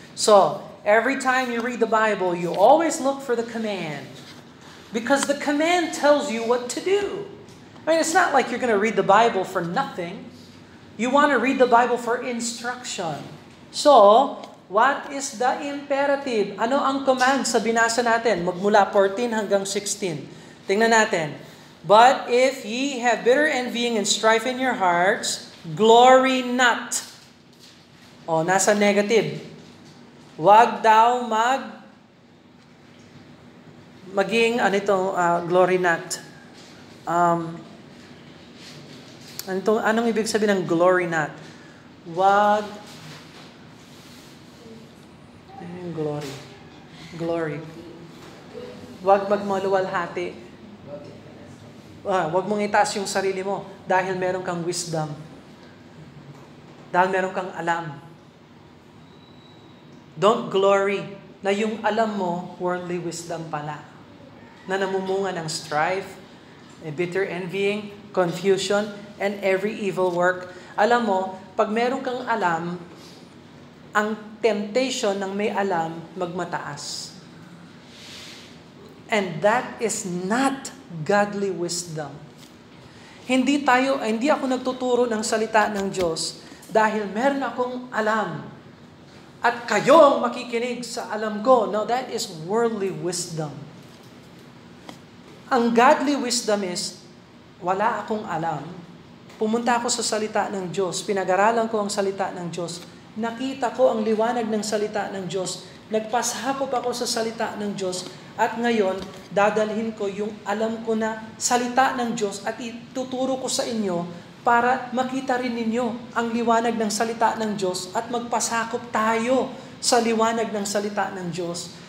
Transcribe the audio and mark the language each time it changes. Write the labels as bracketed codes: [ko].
[en] So, every time you read the Bible, you always look for the command. Because the command tells you what to do. I mean, it's not like you're going to read the Bible for nothing. You want to read the Bible for instruction. So, what is the imperative? [tl] Ano ang command sa binasa natin? Magmula 14 hanggang 16. Tingnan natin. [en] But if ye have bitter envying and strife in your hearts, glory not. [tl] O, nasa negative. Huwag daw maging ano itong glory not. Anong ibig sabihin ng glory not? Huwag glory. Glory. Huwag magmaluwalhati. Huwag mong itaas yung sarili mo dahil meron kang wisdom. Dahil meron kang alam. [en] Don't glory [tl] na yung alam mo, worldly wisdom pala. Na namumunga ng strife, bitter envying, confusion, and every evil work. Alam mo, pag meron kang alam, ang temptation ng may alam, magmataas. [en] And that is not godly wisdom. [tl] Hindi ako nagtuturo ng salita ng Diyos dahil meron akong alam. At kayo ang makikinig sa alam ko. [en] No, that is worldly wisdom. [tl] Ang godly wisdom is, wala akong alam. Pumunta ako sa salita ng Diyos. Pinag-aralan ko ang salita ng Diyos. Nakita ko ang liwanag ng salita ng Diyos. Nagpasakop ako sa salita ng Diyos. At ngayon, dadalhin ko yung alam ko na salita ng Diyos at ituturo ko sa inyo para makita rin ninyo ang liwanag ng salita ng Diyos at magpasakop tayo sa liwanag ng salita ng Diyos.